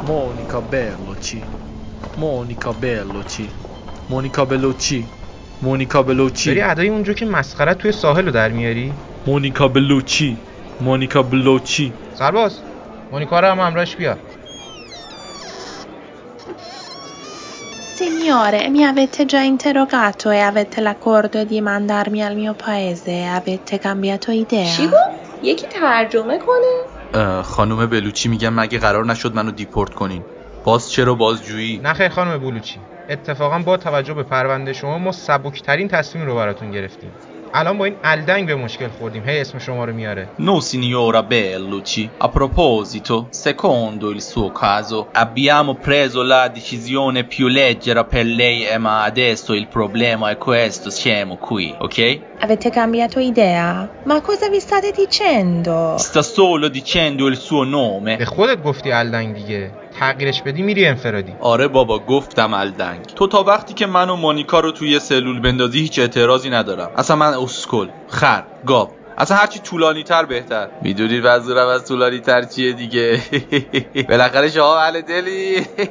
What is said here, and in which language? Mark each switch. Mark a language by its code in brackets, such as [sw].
[fa] مونیکا بلوچی، مونیکا بلوچی، مونیکا بلوچی، مونیکا بلوچی. داری ادای اونجا که مسخره توی ساحل رو در میاری. مونیکا بلوچی، مونیکا بلوچی. سرباز مونیکا رو هم همراهش بیار. [it] Signore, mi avete già interrogato e avete l'accordo di mandarmi al mio paese. Avete cambiato idea? [fa] چی گفت؟ یکی ترجمه کنه؟ خانم بلوچی میگم مگه قرار نشد منو دیپورت کنین؟ باز چرا بازجویی؟ نخیر خانم بلوچی، اتفاقا با توجه به پرونده شما ما سبکترین تصمیم رو براتون گرفتیم. الان با این الدنگ به مشکل خوردیم. هی اسم شما رو میاره. [it] نو سینیورا بلوچی، ا پروپوزیتو، سکوندو ایل سو کازو، ابیامو پرزو لا دیسیزیونه پیو لجرا پر لی، اما ادسو ایل پروبلما ا کوستو سیمو کوی، اوکی؟ Avete cambiato idea? Ma cosa vi state dicendo? Sta solo dicendo il suo nome. [fa] به خودت گفتی الدنگ دیگه. تغییرش بدی میری انفرادی. آره بابا گفتم الدنگ. تو تا وقتی که من و مونیکا رو توی سلول بندازی هیچ اعتراضی ندارم. اصلا من اسکل، خر، گاب. اصلا هرچی طولانی تر بهتر. میدونی وزورم از طولانی تر چیه دیگه. بالاخره شما اهل دلی.